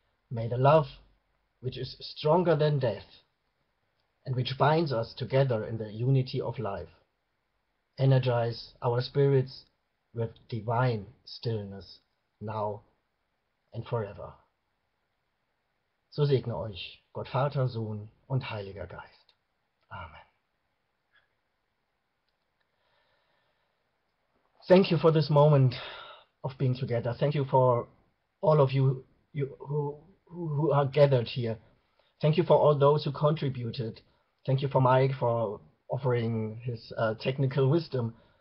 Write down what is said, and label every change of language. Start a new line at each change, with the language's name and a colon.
English: May the love, which is stronger than death, and which binds us together in the unity of life, energize our spirits with divine stillness, now and forever.
German: So segne euch Gott Vater, Sohn und Heiliger Geist.
English: Amen. Thank you for this moment of being together. Thank you for all of you who are gathered here. Thank you for all those who contributed. Thank you for Mike for offering his technical wisdom.